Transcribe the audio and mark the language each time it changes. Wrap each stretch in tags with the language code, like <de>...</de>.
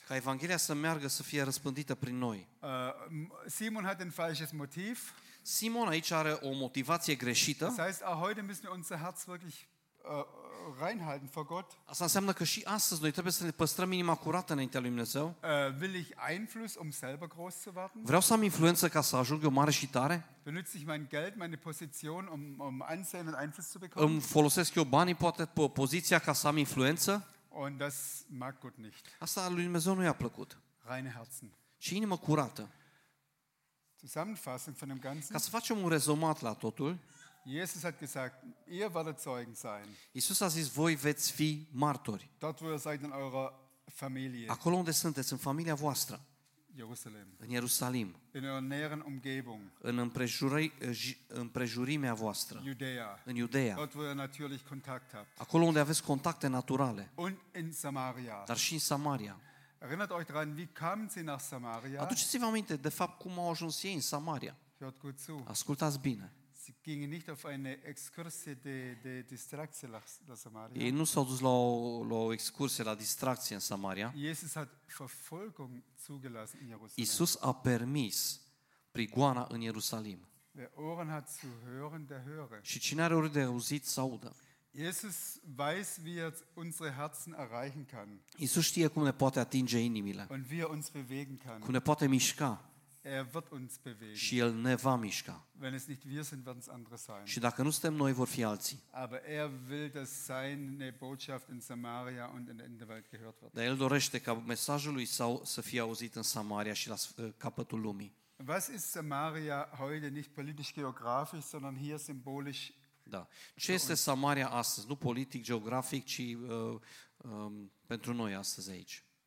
<ro>Ca evanghelia să meargă, să fie răspândită prin noi.</ro> <de>Simon hat ein falsches Motiv.</de> <ro>Simon aici are o motivație greșită.</ro> <de>Das heißt, heute müssen wir unser Herz wirklich reinhalten vor Gott.</de> <ro>Asta înseamnă că și astăzi noi trebuie să ne păstrăm inima curată înaintea lui Dumnezeu.</ro> <de>Will ich Einfluss, um selber groß zu werden?</de> <ro>Vreau să am influență ca să ajung eu mare și tare?</ro> <de>Benutze ich mein Geld, meine Position, um Ansehen und Einfluss zu bekommen?</de> <ro>Îmi folosesc eu banii, poate poziția, ca să am influență?</ro> <de>Und das mag Gott nicht.</de> <ro>Asta lui Dumnezeu nu i-a plăcut.</ro> <de>Reine Herzen.</de> <ro>Și inimă curată.</ro> <de>Zusammenfassung von dem Ganzen.</de> <ro>Ca să facem un rezumat la totul.</ro> <de>Jesus hat gesagt, ihr werdet Zeugen sein.</de> <ro>Iisus a zis, voi veți fi martori.</ro> <de>Dort wo ihr seid in eurer Familie.</de> <ro>Acolo unde sunteți, în familia voastră.</ro> <de>Jerusalem.</de> <ro>În Ierusalim.</ro> <de>In eurer näheren Umgebung.</de> <ro>În împrejurimea voastră.</ro> <de>Judea.</de> <ro>În Judea.</ro> <de>Dort wo ihr natürlich Kontakt habt.</de> <ro>Acolo unde aveți contacte naturale.</ro> <de>Und in Samaria.</de> <ro>Dar și în Samaria.</ro> <de>Erinnert euch daran, wie kamen sie nach Samaria?</de> <ro>Aduceți-vă aminte, de fapt, cum au ajuns ei în Samaria.</ro> <de>Hört gut zu.</de> <ro>Ascultați bine.</ro> <de>Sie gingen nicht auf eine Exkursie</de> <ro>de distracție la</ro> <de>Samaria.</de> <ro>Ei nu s-au dus la o excursie, la distracție în Samaria.</ro> <de>Jesus hat Verfolgung zugelassen in Jerusalem.</de> <ro>Iisus a permis prigoana în Ierusalim.</ro> <de>Wer Ohren hat zu hören, der höre.</de> <ro>Și cine are ori de auzit, să audă.</ro> <de>Jesus weiß, wie er unsere Herzen erreichen kann.</de> <ro>Iisus știe cum ne poate atinge inimile.</ro> <de>Und wie er uns bewegen kann.</de> <ro>Cum ne poate mișca.</ro> <de>Er wird uns bewegen.</de> <ro>Și el ne va mișca.</ro> <de>Wenn es nicht wir sind, werden es andere sein.</de> <ro>Și dacă nu suntem noi, vor fi alții.</ro> <de>Aber er will, dass seine Botschaft in Samaria und in der Welt gehört wird.</de> <ro>Dar el dorește ca mesajul lui să fie auzit în Samaria și la capătul lumii.</ro> <de>Was ist Samaria heute nicht politisch geografisch, sondern hier symbolisch?</de> <ro>Da. Ce este Samaria astăzi? Nu politic, geografic, ci pentru noi astăzi aici.</ro>